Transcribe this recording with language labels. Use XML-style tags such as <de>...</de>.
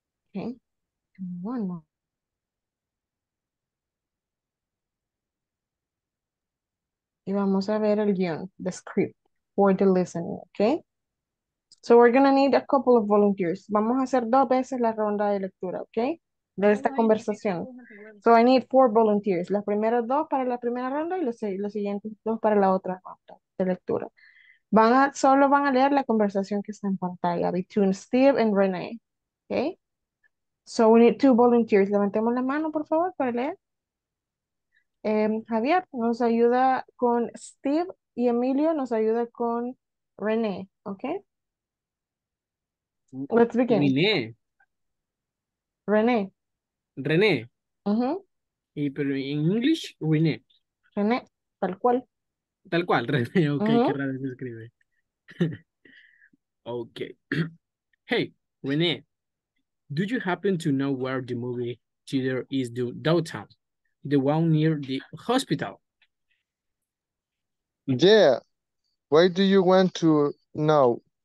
<en>Okay. One more.</en> <es>Y vamos a ver el guión,</es> <en>the script for the listening,</en> <es>okay?</es> <en>So we're going to need a couple of volunteers.</en> <es>Vamos a hacer dos veces la ronda de lectura, okay? De esta conversación.</es> <en>So I need four volunteers.</en> <es>Las primeras dos para la primera ronda y los siguientes dos para la otra ronda de lectura. Solo van a leer la conversación que está en pantalla</es> <en>between Steve and Renee,</en> <es>okay?</es> <en>So we need two volunteers.</en> <es>Levantemos la mano, por favor, para leer. Javier nos ayuda con Steve y Emilio nos ayuda con René, okay?</es> <en>Let's begin. René. Uh-huh.</en> <es>Y pero en English René. René, tal cual. Tal cual, René, okay, uh-huh. Qué raro se escribe.</es> <en>Okay. Hey, René, do you happen to know where the movie theater is downtown? The one near the hospital. Yeah. Why do you want to know?</en>